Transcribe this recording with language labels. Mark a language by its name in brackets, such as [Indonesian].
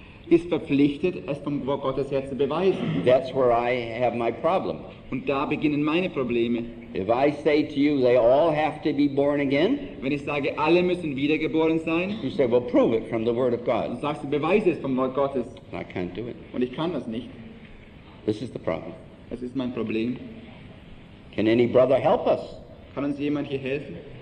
[German] Ist verpflichtet, es vom Wort Gottes her zu beweisen. [English] That's where I have my problem. [German] Und da beginnen meine Probleme. [English] If I say to you, they all have to be born again, [German] wenn ich sage, alle müssen wiedergeboren sein, [English] you say, well, prove it from the Word of God. [German] Und sagst du, beweise es vom Wort Gottes. [English] I can't do it. [German] Und ich kann das nicht. [English] This is the problem. [German] Das ist mein Problem. [English] Can any brother help us? [German] Kann uns jemand hier helfen?